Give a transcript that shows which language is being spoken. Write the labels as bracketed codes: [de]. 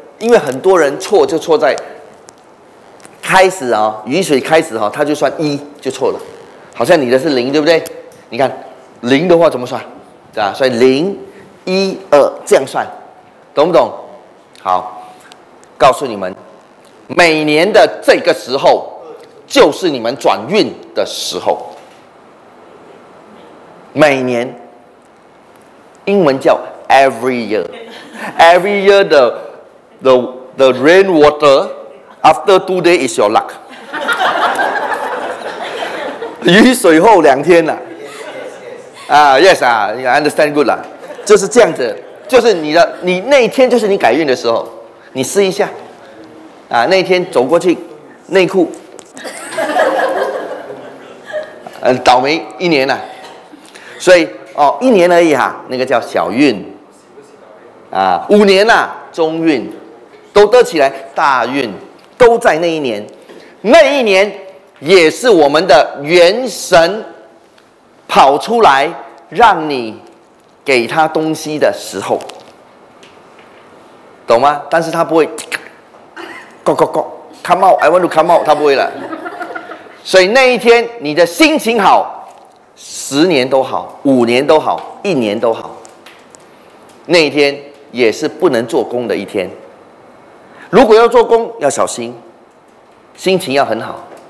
[zh] 因为很多人错就错在开始啊，雨水开始哈，他就算一就错了，好像你的是零，对不对？你看零的话怎么算，对吧？所以零、一、二这样算，懂不懂？好，告诉你们，每年的这个时候就是你们转运的时候。每年，英文叫 [en] every year， every year the rain water after 2 days is your luck。 [zh] 雨水后两天了、啊，啊 [en] yes [zh] 啊、yes, ， [en] I understand good [zh] 啦，就是这样子，就是你的你那一天就是你改运的时候，你试一下，啊那一天走过去，内裤，倒霉一年了、啊。所以哦，一年而已哈、啊，那个叫小运，啊，五年呐、啊，中运，都得起来，大运都在那一年，那一年也是我们的元神跑出来让你给他东西的时候，懂吗？但是他不会 ， [en] go go go，come out， [zh] I want to come out， 他不会了。所以那一天你的心情好。十年都好，五年都好，一年都好，那一天也是不能做工的一天。如果要做工，要小心，心情要很好。